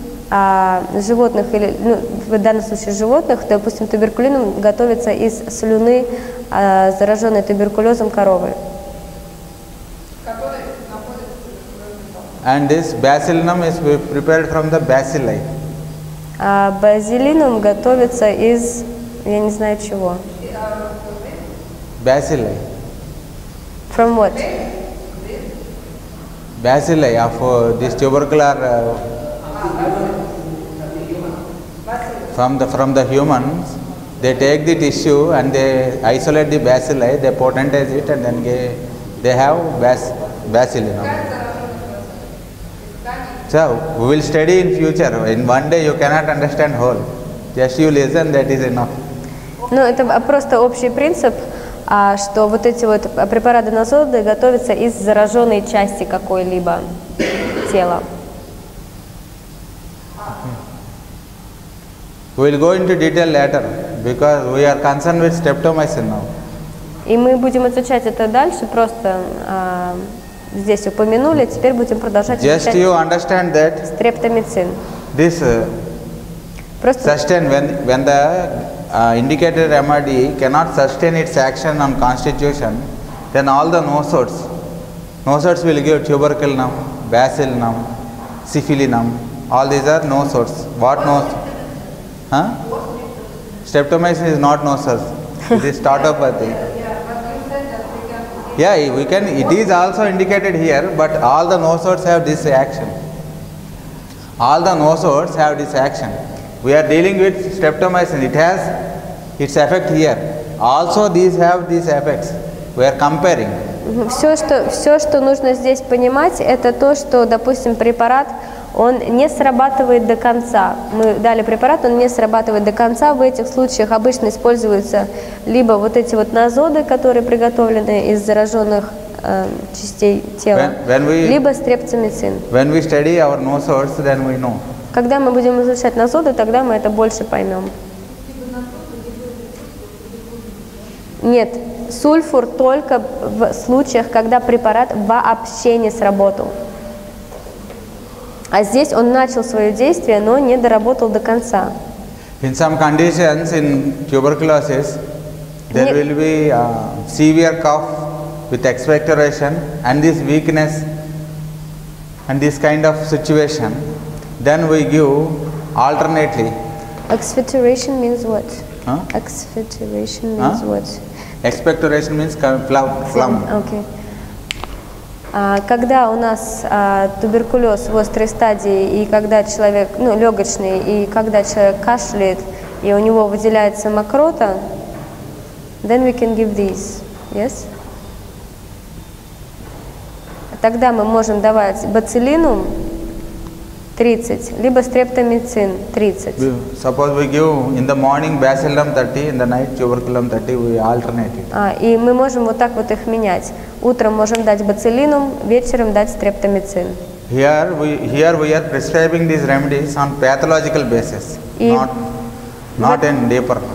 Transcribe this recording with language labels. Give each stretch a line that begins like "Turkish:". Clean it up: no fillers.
Russian: животных, или, ну, в данном случае животных, допустим, туберкулином готовится из слюны, зараженной туберкулезом коровы.
English: And this basilinum is prepared from the bacilli.
Russian: А базилинум готовится из, я не знаю чего.
English: Bacilli. From what? Bacilli of this tubercular. From the humans, they take the tissue and they isolate the bacilli, they potentize it, and then they have basilinum. So we will study in future. In one day you cannot understand whole. Just you listen, that is enough.
Russian: Ну, это просто общий принцип, что вот эти вот препараты на зоды готовятся из зараженной части какой-либо тела.
English: We will go into detail later, because we are concerned with streptomycin now.
Russian: И мы будем изучать это дальше, просто здесь упомянули, теперь будем продолжать.
English: Just you understand that streptomycin. This sustain when the indicated MRD cannot sustain its action on constitution, then all the nosodes will give tuberculinum, bacillinum, syphilinum, all these are nosodes. What nosodes? Huh? Streptomycin is not nosodes. It is tautopathy. Yeah, we can. It is also indicated here, but all the nosodes have this action. All the nosodes have this action. We are dealing with streptomycin. It has its effect here. Also, these have these effects. We are comparing.
Russian: Все, что нужно здесь понимать, это то, что, допустим, препарат, он не срабатывает до конца. Мы дали препарат, он не срабатывает до конца. В этих случаях обычно используются либо вот эти вот назоды, которые приготовлены из зараженных частей тела, либо стрептомицин.
English: When we study our nosodes, then we know.
Russian: Когда мы будем изучать назоды, тогда мы это больше поймем. Нет, сульфур только в случаях, когда препарат вообще не сработал. А здесь он начал свое действие, но не доработал до конца.
English: In some conditions, in tuberculosis, there will be severe cough with expectoration and this weakness and this kind of situation. Then we give alternately. Expectoration means what? Expectoration means what? Expectoration means phlegm. Okay.
Russian: Когда у нас туберкулез в острой стадии, и когда человек, ну, легочный, и когда человек кашляет, и у него выделяется мокрота,
English: then we can give these, yes?
Russian: Тогда мы можем давать бацилинум 30, либо стрептомицин 30.
English: Suppose we give in the morning bacillum 30, in the night tuberculum 30, we alternate it.
Russian: И мы можем вот так вот их менять. Утром можем дать бацилинум, вечером дать стрептомицин.
English: Here we are prescribing these remedies on pathological basis, not in deeper.